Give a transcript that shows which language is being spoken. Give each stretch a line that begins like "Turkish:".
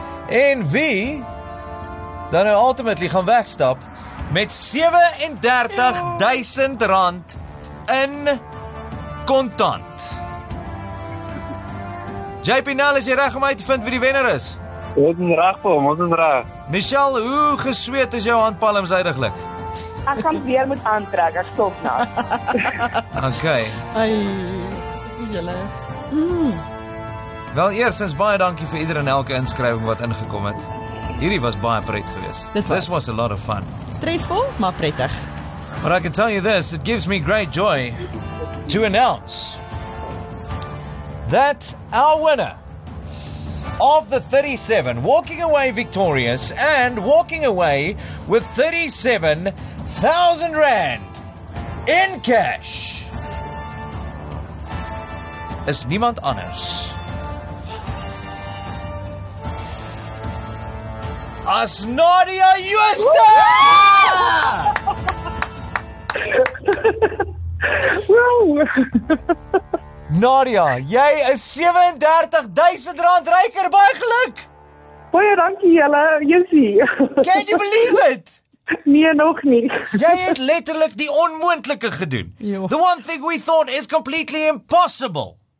Afrikaans: En wie dan nou ultimately gaan wegstap met 37,000 rand in kontant. JP Nell, is jy reg om uit te vind wie die wenner is? Ons is reg vir hom, ons is reg. Michelle, hoe gesweet is jou handpalms heidiglik? Ek gaan weer moet aantrek, ek stop nou. Okay. Ai, julle. Wel, eerstens, baie dankie vir ieder en elke inskrywing wat ingekom het. Hierdie was baie pret geweest.
English: This was a lot of fun.
Afrikaans: Stressful, maar prettig.
English: But I can tell you this, it gives me great joy to announce that our winner of the 37, walking away victorious and walking away with 37,000 rand in cash,
Afrikaans: is niemand anders. As Nadia Jooste! Nadia, jy is 37,000 rand ryker, baie geluk! Baie dankie julle, Jussie.
English: Can you believe it?
Afrikaans: Nee, nog nie. Jy het letterlik die onmoontlike gedoen. Jo.
English: The one thing we thought is completely impossible.